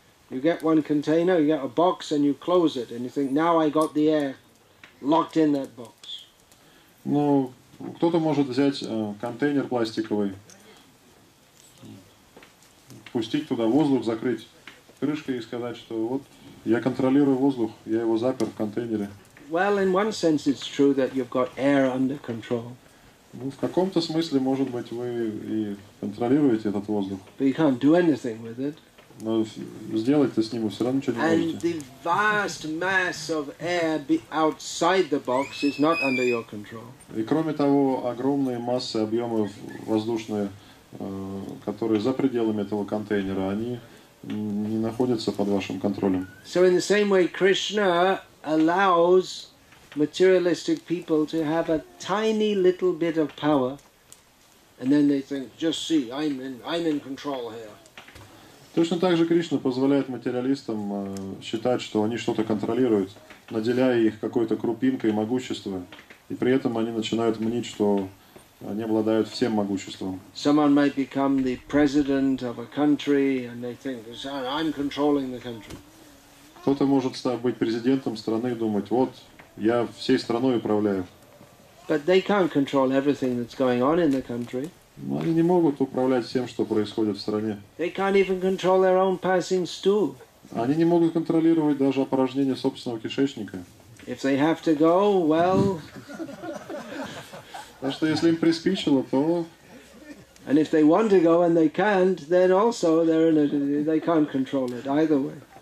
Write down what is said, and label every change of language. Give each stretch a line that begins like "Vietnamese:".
English: You get one container, you get a box, and you close it, and you think, now I got the air locked in that box.
Russian: Ну, кто-то может взять контейнер пластиковый, пустить туда воздух, закрыть крышкой и сказать, что вот я контролирую воздух, я его запер в контейнере.
English: Well, in one sense it's true that you've got air under control.
Russian: Ну, в каком-то смысле, может быть, вы и контролируете этот воздух.
English: But you can't do anything with it.
Russian: Но сделать-то с ним все равно ничего не
English: and
Russian: можете.
English: And the vast mass of air outside the box is not under your control.
Russian: И кроме того, огромные массы, объемы воздушные, которые за пределами этого контейнера, они не находятся под вашим контролем.
English: So in the same way, Krishna allows materialistic people to have a tiny little bit of power, and then they think, just see, I'm in control here.
Russian: Точно так же Кришна позволяет материалистам считать, что они что-то контролируют, наделяя их какой-то крупинкой могущества, и при этом они начинают мнить, что они обладают всем могуществом.
English: Someone might become the president of a country, and they think, I'm controlling the country.
Russian: Кто-то может быть президентом страны и думать, вот, я всей страной управляю.
English: But they can't control everything that's going on in the country.
Russian: Но они не могут управлять всем, что происходит в стране.
English: They can't even control their own passing stool.
Russian: Они не могут контролировать даже опорожнение собственного кишечника.
English: If they have to go, well...
Russian: Так что если им приспичило, то...
English: And if they want to go and they can't, then also they can't control it either way.